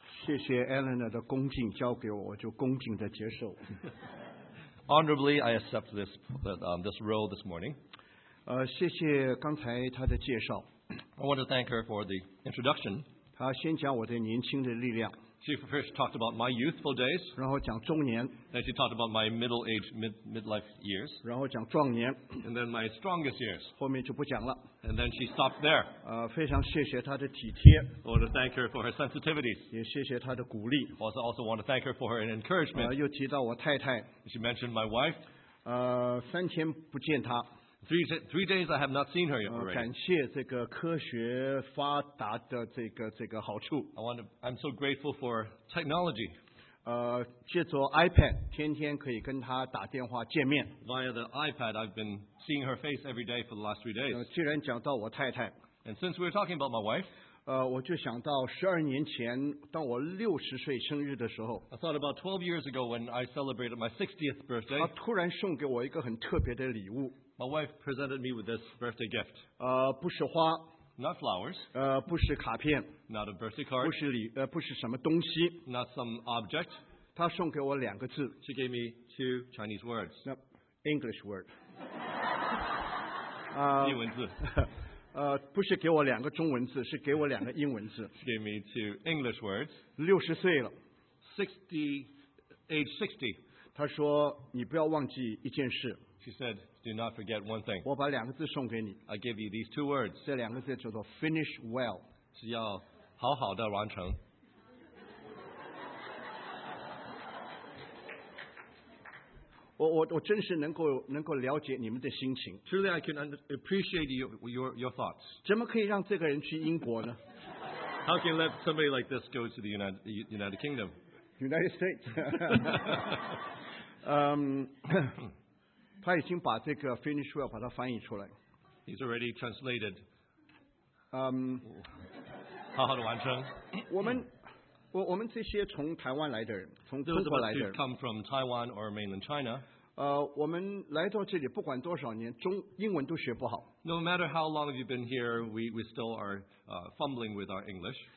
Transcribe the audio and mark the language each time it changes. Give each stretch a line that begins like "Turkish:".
Chinese: 谢谢 Eleanor 的恭敬交给我，我就恭敬的接受。
English: Honorably, I accept this role this morning.
Chinese: 谢谢刚才她的介绍。
English: I want to thank her for the introduction.
Chinese: 她先讲我的年轻的力量。
English: She first talked about my youthful days.
Chinese: 然后讲中年。
English: Then she talked about my middle age, midlife years.
Chinese: 然后讲壮年。
English: And then my strongest years.
Chinese: 后面就不讲了。
English: And then she stopped there.
Chinese: 非常谢谢她的体贴。
English: I want to thank her for her sensitivities.
Chinese: 也谢谢她的鼓励。
English: Also want to thank her for her encouragement.
Chinese: 又提到我太太。
English: She mentioned my wife.
Chinese: 三天不见她。
English: Three days I have not seen her yet.
Chinese: 感谢这个科学发达的这个好处。
English: I'm so grateful for technology.
Chinese: 借助 iPad， 天天可以跟她打电话见面。
English: Via the iPad, I've been seeing her face every day for the last 3 days.
Chinese: 既然讲到我太太
English: ，and since we're talking about my wife，
Chinese: 我就想到12年前，当我60岁生日的时候
English: ，I thought about 12 years ago when I celebrated my 60th birthday.
Chinese: 她突然送给我一个很特别的礼物。
English: My wife presented me with this birthday gift.
Chinese: 不是花。
English: Not flowers.
Chinese: 不是卡片。
English: Not a birthday card.
Chinese: 不是礼，不是什么东西。
English: Not some object.
Chinese: 她送给我两个字。
English: She gave me 2 Chinese words. No, English word.
Chinese: 英文字。不是给我两个中文字，是给我两个英文字。
English: She gave me 2 English words.
Chinese: 60岁了。
English: 60, age 60.
Chinese: 她说，你不要忘记一件事。
English: She said,Do not forget one thing.
Chinese: 我把两个字送给你。
English: I give you these 2 words.
Chinese: 这两个字叫做
English: finish well.
Chinese: 是要好好的完成。我真是能够了解你们的心情。
English: Truly, I can appreciate your thoughts.
Chinese: 怎么可以让这个人去英国呢？
English: How can let somebody like this go to the United Kingdom? United States.
Chinese: 他已经把这个
English: finish well
Chinese: 把它翻译出来。
English: He's already translated.
Chinese: 好好的完成。我们这些从台湾来的人，从中国来的人
English: ，come from Taiwan or mainland China.
Chinese: 我们来到这里，不管多少年，英文都学不好。
English: No matter how long have you been here, we still are fumbling with our English.